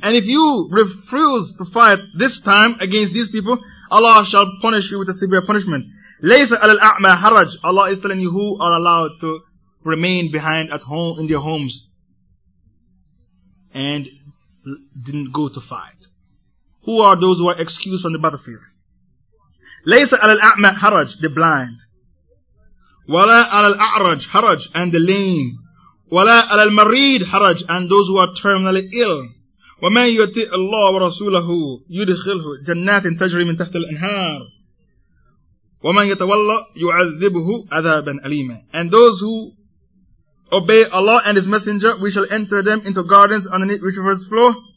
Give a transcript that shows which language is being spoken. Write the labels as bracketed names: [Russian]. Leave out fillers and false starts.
[English] And if you refuse to fight this time against these people, Allah shall punish you with a severe punishment. [Arabic] لَيْسَ عَلَى الْأَعْمَى حَرَجٌ. [English] Allah is telling you who are allowed to remain behind at home in their homes and didn't go to fight. Who are those who are excused from the battlefield? [Arabic] لَيْسَ عَلَى الْأَعْمَى حَرَجٌ, [English] the blind. [Arabic] وَلَا عَلَى الْأَعْرَجِ حَرَجْ, [English] and the lame. [Arabic] وَلَا عَلَى الْمَرِيدِ حَرَجْ, [English] and those who are terminally ill. [Arabic] وَمَن يُطِعِ اللَّهَ وَرَسُولَهُ يُدْخِلْهُ جَنَّاتٍ تَجْرِي مِنْ تَحْتِهَا الْأَنْهَارُ وَمَن يَتَوَلَّ يُعَذِّبْهُ عَذَابًا أَلِيمًا. [English] And those who obey Allah and His Messenger, we shall enter them into gardens underneath which rivers flow.